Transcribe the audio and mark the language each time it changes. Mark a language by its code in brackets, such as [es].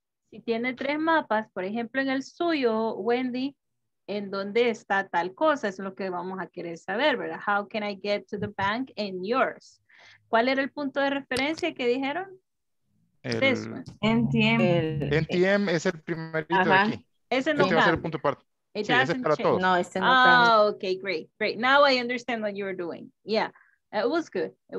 [es] Si tiene tres mapas, por ejemplo, en el suyo, Wendy, ¿en dónde está tal cosa? Es lo que vamos a querer saber, ¿verdad? [en] How can I get to the bank in yours? [es] ¿Cuál era el punto de referencia que dijeron? El NTM. NTM es el primerito ajá. De aquí. Ese no este va a ser el punto para, sí, ese es para todos. No, ese no está. [en] Oh, okay, great. Now I understand what you were doing. Yeah, it was good.